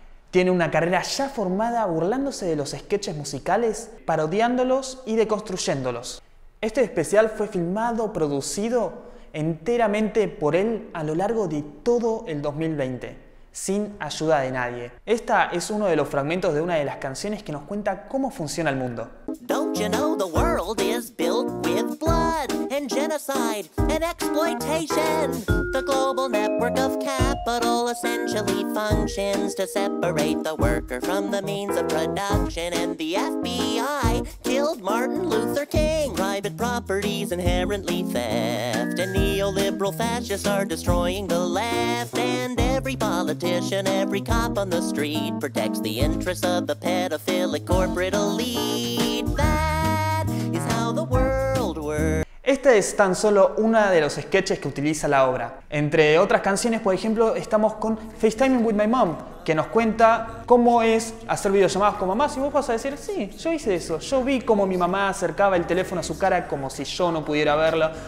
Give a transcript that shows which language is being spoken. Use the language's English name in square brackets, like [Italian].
[Spanish] Tiene una carrera ya formada burlándose de los sketches musicales, parodiándolos y deconstruyéndolos. Este especial fue filmado, producido enteramente por él a lo largo de todo el 2020, sin ayuda de nadie. Esta es uno de los fragmentos de una de las canciones que nos cuenta cómo funciona el mundo. [English] Don't you know the world is built with blood and genocide and exploitation? The global network of capital essentially functions to separate the worker from the means of production. And the FBI killed Martin Luther King. Private property is inherently theft. And neoliberal fascists are destroying the left. And every politician, every cop on the street protects the interests of the pedophilic corporate elite. That is how the world works. [Spanish] Este es tan solo uno de los sketches que utiliza la obra. Entre otras canciones, por ejemplo, estamos con FaceTiming with my mom, que nos cuenta cómo es hacer videollamadas con mamá. Y vos vas a decir, sí, yo hice eso. Yo vi cómo mi mamá acercaba el teléfono a su cara como si yo no pudiera verla.